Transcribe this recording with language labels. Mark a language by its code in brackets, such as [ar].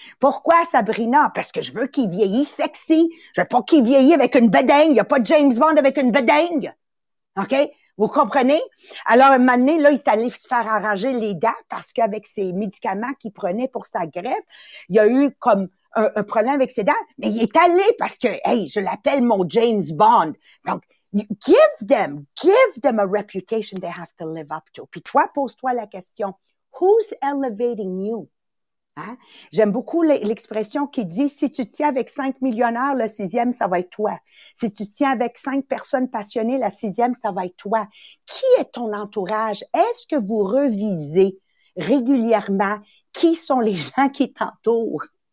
[fr] Pourquoi Sabrina? Parce que je veux qu'il vieillisse sexy. Je veux pas qu'il vieillisse avec une bedaigne. Il n'y a pas de James Bond avec une bedaigne. OK? Vous comprenez? Alors, un moment donné, là, il est allé se faire arranger les dents parce qu'avec ses médicaments qu'il prenait pour sa greffe, il y a eu comme un problème avec ses dents. Mais il est allé parce que, hey, je l'appelle mon James Bond. Donc, [en] Give them a reputation they have to live up to. [fr] Puis toi, pose-toi la question, [en] who's elevating you? [fr] Hein? J'aime beaucoup l'expression qui dit, si tu tiens avec 5 millionnaires, le 6e, ça va être toi. Si tu tiens avec 5 personnes passionnées, la 6e, ça va être toi. Qui est ton entourage? Est-ce que vous revisez régulièrement qui sont les gens qui t'entourent?